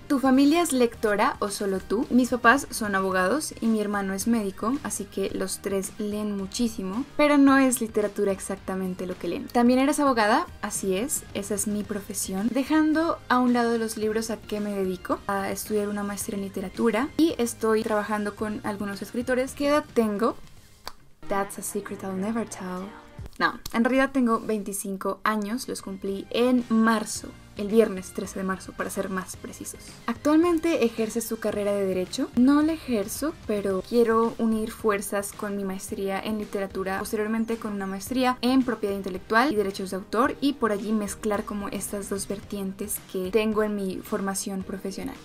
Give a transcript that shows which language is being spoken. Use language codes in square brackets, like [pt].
[es] ¿Tu familia es lectora o solo tú? Mis papás son abogados y mi hermano es médico, así que los tres leen muchísimo, pero no es literatura exactamente lo que leen. ¿También eres abogada? Así es, esa es mi profesión. Dejando a un lado los libros, ¿a qué me dedico? A estudiar una maestría en literatura y estoy trabajando con algunos escritores. ¿Qué edad tengo? [en] That's a secret I'll never tell. [es] No, en realidad tengo 25 años, los cumplí en marzo. El viernes 13 de marzo, para ser más precisos. Actualmente ejerces tu carrera de derecho. No la ejerzo, pero quiero unir fuerzas con mi maestría en literatura, posteriormente con una maestría en propiedad intelectual y derechos de autor, y por allí mezclar como estas dos vertientes que tengo en mi formación profesional.